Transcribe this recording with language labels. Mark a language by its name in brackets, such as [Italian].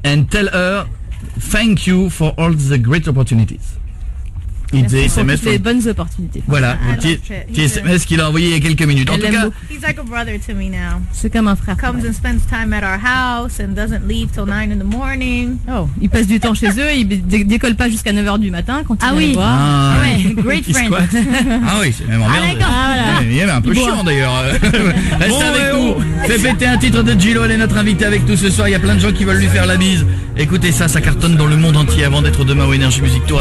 [English] And tell her thank you for all the great opportunities. [French] Il disait SMS. Des bonnes opportunités. Voilà, SMS qu'il a envoyé il y a quelques minutes. En tout cas, [English] he's like a brother to me now. [French] C'est comme un frère. [English] Comes and spends time at our house and doesn't leave till 9 in the morning. [French] Oh, il passe du temps chez eux, il décolle pas jusqu'à 9h du matin. Ah oui. [English] Great friend. [French] Ah oui, c'est même emmerdé. Il est un peu chiant d'ailleurs. Reste avec nous. Fais péter un titre de Gillo, elle est notre invitée avec nous ce soir. Il y a plein de gens qui veulent lui faire la bise. Écoutez ça cartonne dans le monde entier avant d'être demain au Energy Music Tour.